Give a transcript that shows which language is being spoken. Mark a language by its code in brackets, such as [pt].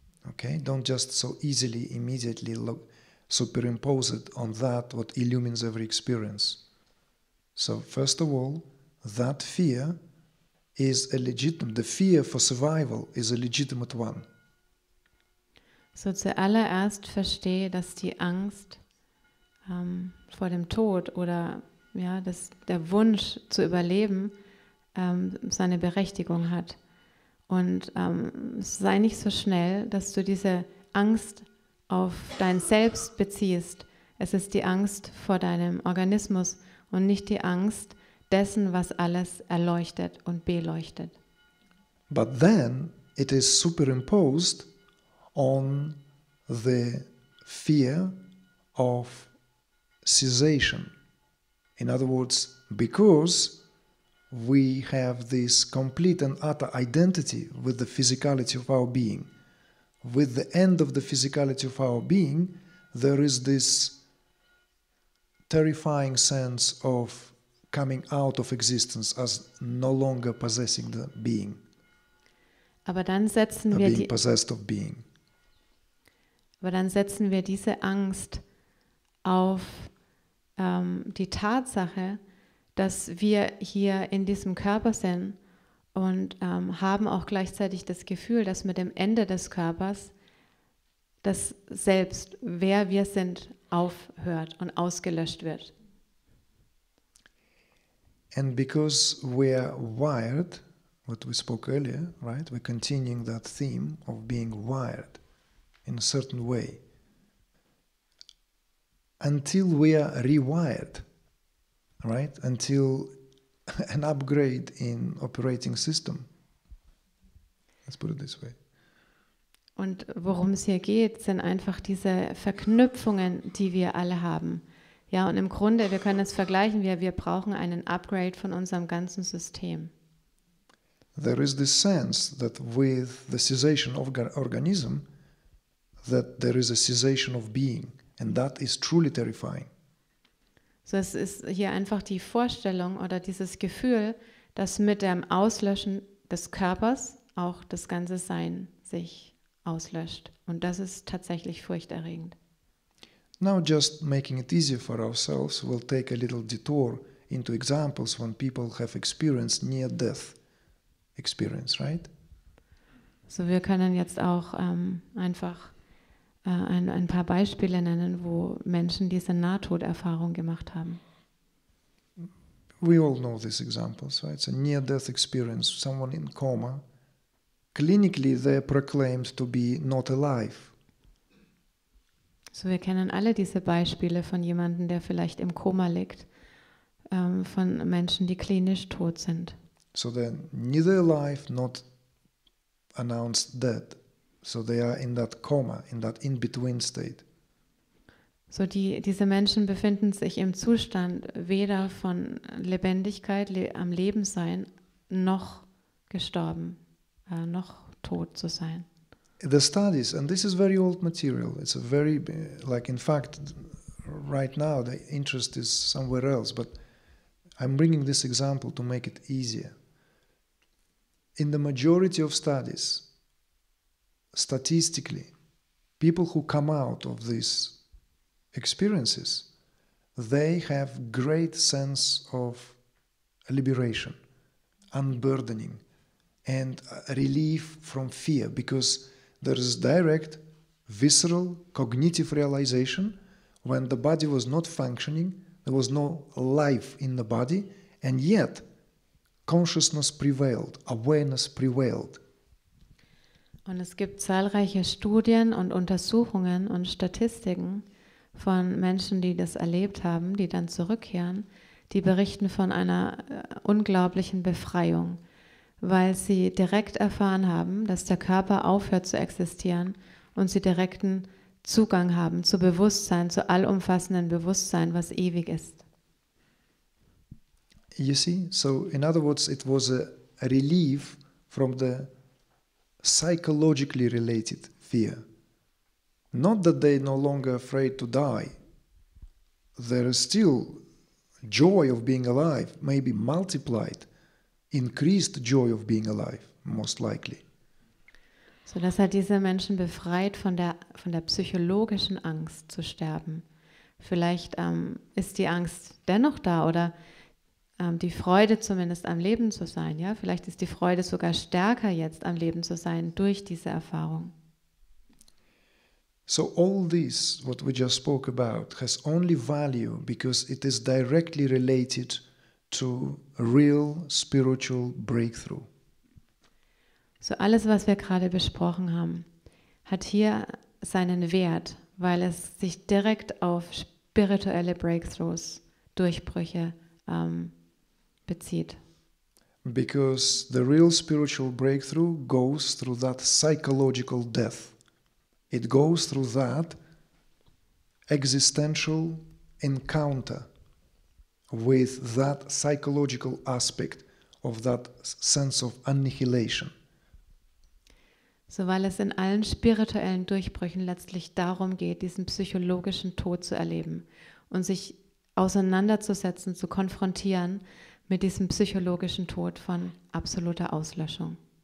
[en] Okay, don't just so easily, immediately superimpose it on that what illumines every experience. So first of all, that fear is a legitimate, the fear for survival is a legitimate one. [de] So zuallererst verstehe, dass die Angst vor dem Tod oder ja, dass der Wunsch zu überleben seine Berechtigung hat. Und sei nicht so schnell, dass du diese Angst auf dein Selbst beziehst. Es ist die Angst vor deinem Organismus und nicht die Angst dessen, was alles erleuchtet und beleuchtet. [en] But then it is superimposed on the fear of cessation. In other words, because we have this complete and utter identity with the physicality of our being. With the end of the physicality of our being, there is this terrifying sense of coming out of existence as no longer possessing the being. [de] Aber dann setzen wir [en] being possessed of being. [de] Aber dann setzen wir diese Angst auf die Tatsache, dass wir hier in diesem Körper sind und haben auch gleichzeitig das Gefühl, dass mit dem Ende des Körpers das Selbst, wer wir sind, aufhört und ausgelöscht wird. [en] And because we are wired, what we spoke earlier, right? We're continuing that theme of being wired in a certain way. Until we are rewired, right? Until an upgrade in operating system. Let's put it this way. [de] Und worum es hier geht, sind einfach diese Verknüpfungen, die wir alle haben. Ja, und im Grunde, wir können es vergleichen, wir brauchen einen Upgrade von unserem ganzen System. [en] There is this sense that with the cessation of organism, that there is a cessation of being. And that is truly terrifying. [de] So es ist hier einfach die Vorstellung oder dieses Gefühl, dass mit dem Auslöschen des Körpers auch das ganze Sein sich auslöscht. Und das ist tatsächlich furchterregend. [en] Now just making it easier for ourselves, we'll take a little detour into examples when people have experienced near-death experience, right? [de] So wir können jetzt auch einfach ein paar Beispiele nennen, wo Menschen diese Nahtoderfahrung gemacht haben. [en] We all know these examples, right? It's a near-death experience. Someone in coma, clinically they are proclaimed to be not alive. [de] So wir kennen alle diese Beispiele von jemanden, der vielleicht im Koma liegt, von Menschen, die klinisch tot sind. [en] So they're neither alive not announced dead. So they are in that coma, in that in-between state. [de] So diese Menschen befinden sich im Zustand weder von Lebendigkeit, am Leben sein, noch gestorben, noch tot zu sein. [en] The studies, and this is very old material, it's a very, like in fact, right now the interest is somewhere else, but I'm bringing this example to make it easier. In the majority of studies, statistically, people who come out of this experiences, they have great sense of liberation, unburdening, and relief from fear, because there is direct, visceral, cognitive realization when the body was not functioning, there was no life in the body, and yet consciousness prevailed, awareness prevailed. [de] Und es gibt zahlreiche Studien und Untersuchungen und Statistiken von Menschen, die das erlebt haben, die dann zurückkehren, die berichten von einer unglaublichen Befreiung, weil sie direkt erfahren haben, dass der Körper aufhört zu existieren und sie direkten Zugang haben zu Bewusstsein, zu allumfassenden Bewusstsein, was ewig ist. [en] You see, so in other words, it was a relief from the psychologically related fear. Not that they no longer afraid to die. There is still joy of being alive, maybe multiplied, increased joy of being alive, most likely. [de] So dass er diese Menschen befreit von der psychologischen Angst zu sterben. Vielleicht ist die Angst dennoch da oder die Freude zumindest am Leben zu sein, ja? Vielleicht ist die Freude sogar stärker jetzt am Leben zu sein durch diese Erfahrung. [en] So all this, what we just spoke about, has only value because it is directly related to real spiritual breakthrough. [de] So alles, was wir gerade besprochen haben, hat hier seinen Wert, weil es sich direkt auf spirituelle Breakthroughs, Durchbrüche bezieht. [en] Because the real spiritual breakthrough goes through that psychological death. It goes through that existential encounter with that psychological aspect of that sense of annihilation. [de] So, weil es in allen spirituellen Durchbrüchen letztlich darum geht, diesen psychologischen Tod zu erleben und sich auseinanderzusetzen, zu konfrontieren mit diesem psychologischen Tod von absoluter Auslöschung.